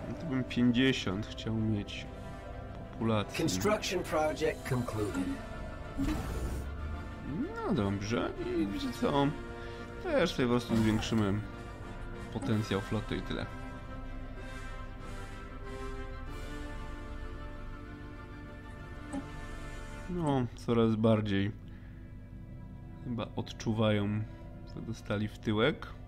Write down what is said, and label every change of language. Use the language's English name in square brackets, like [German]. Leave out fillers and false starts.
[Polish] Bym 50 chciał mieć populację. [English] Construction project concluded. [Polish] No dobrze, i wiecie co? Też sobie po prostu zwiększymy potencjał floty i tyle. No, coraz bardziej chyba odczuwają, co dostali w tyłek.